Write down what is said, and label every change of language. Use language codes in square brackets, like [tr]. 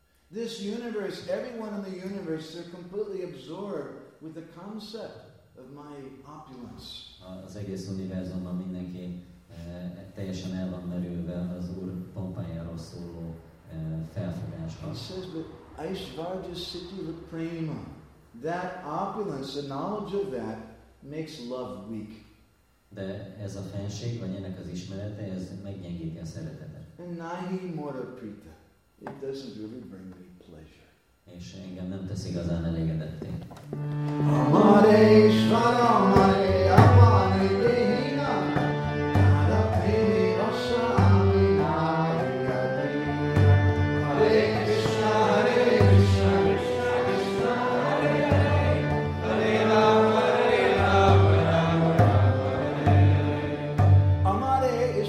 [en] This universe, everyone in the universe, they're completely absorbed with the concept of my opulence. [hu] Az egész univerzumban mindenki teljesen el van merülve az Úr pompájáról szóló felfogásra. [en] He says, but Aishvarya Siddhi Prema, that opulence, the knowledge of that, makes love weak. [hu] De ez a fenség, vagy ennek az ismerete, ez meggyengíti a szeretetet. [en] And [bn] nahi mora prita. [en] It doesn't really bring me pleasure. [hu] És engem nem tesz igazán elégedetté. [sa] Amare Ishvara, amare Amare Dehina, Nara Pini Asa Ami Maria Hare Krishna, Hare Krishna, Krishna Krishna, Hare Hare, Hare Rama, Hare Rama, Rama Rama, Hare Hare.